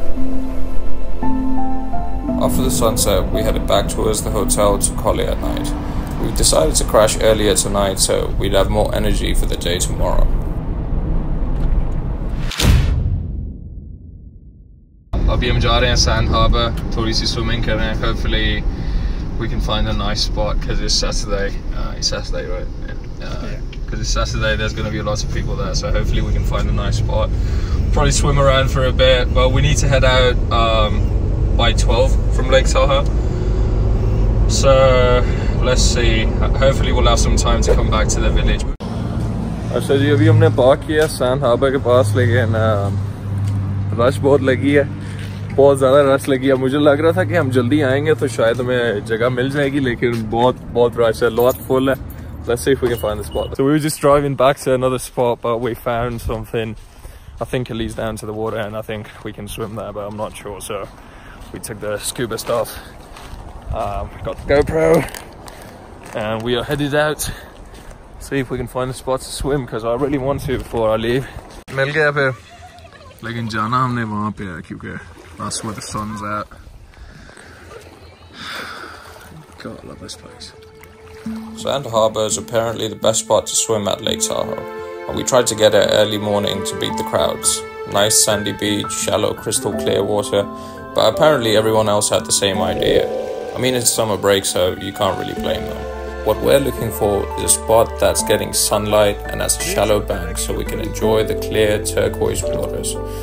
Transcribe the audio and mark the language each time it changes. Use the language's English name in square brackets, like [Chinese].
[English] After the sunset, we headed back towards the hotel to collie at night. We decided to crash earlier tonight so we'd have more energy for the day tomorrow. [Hindi] अभी हम जा रहे हैं sand harbour, थोड़ी सी swimming कर रहे हैं. [English] Hopefully we can find a nice spot because it's Saturday. It's Saturday, right? Because it's Saturday, there's going to be a lot of people there. So hopefully we can find a nice spot. Probably swim around for a bit. Well, we need to head out by 12 from Lake Tahoe. So let's see. Hopefully we'll have some time to come back to the village. [Hindi] अच्छा जी, अभी हमने park किया sand harbour के पास, लेकिन rush बहुत लगी है. बहुत ज़्यादा रश लगी है. मुझे लग रहा था कि हम जल्दी आएंगे तो शायद हमें जगह मिल जाएगी, लेकिन बहुत बहुत रश है, लॉट फुल है. [English] Let's see if we can find the spot. So we were just driving back to another spot, but we found something. I think it leads down to the water, and I think we can swim there, but I'm not sure. So we took the scuba stuff, got the GoPro, and we are headed out. See if we can find a spot to swim, because I really want to before I leave. [Hindi] मिल गया फिर, लेकिन जाना हमने वहाँ पे है क्योंकि [English] that's where the sun's at. God, I love this place. Sand Harbor is apparently the best spot to swim at Lake Tahoe, and we tried to get there early morning to beat the crowds. Nice sandy beach, shallow crystal clear water, but apparently everyone else had the same idea. I mean, it's summer break, so you can't really blame them. What we're looking for is a spot that's getting sunlight and has a shallow bank so we can enjoy the clear turquoise waters.